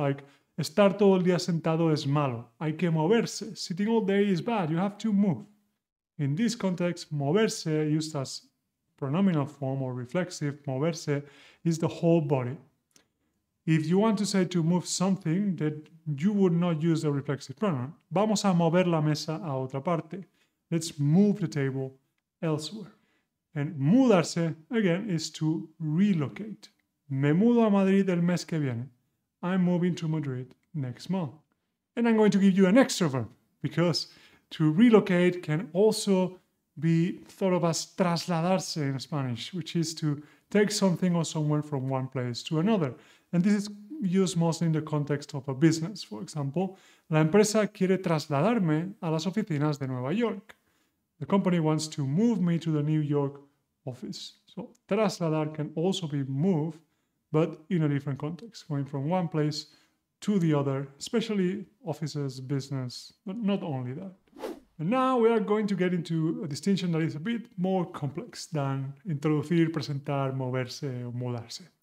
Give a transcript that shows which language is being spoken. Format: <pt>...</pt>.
<es>Like, estar todo el día sentado es malo. Hay que moverse.</es> <en>Sitting all day is bad. You have to move. In this context, moverse, used as pronominal form or reflexive, moverse is the whole body. If you want to say to move something, that you would not use the reflexive pronoun.</en> <es>Vamos a mover la mesa a otra parte.</es> <en>Let's move the table elsewhere. And mudarse, again, is to relocate.</en> <es>Me mudo a Madrid el mes que viene.</es> <en>I'm moving to Madrid next month. And I'm going to give you an extra verb, because to relocate can also be thought of as trasladarse in Spanish, which is to take something or somewhere from one place to another. And this is used mostly in the context of a business. For example,</en> <es>la empresa quiere trasladarme a las oficinas de Nueva York.</es> <en>The company wants to move me to the New York office. So, trasladar can also be move, but in a different context, going from one place to the other, especially offices, business, but not only that. And now we are going to get into a distinction that is a bit more complex than introducir, presentar, moverse, o mudarse.</en>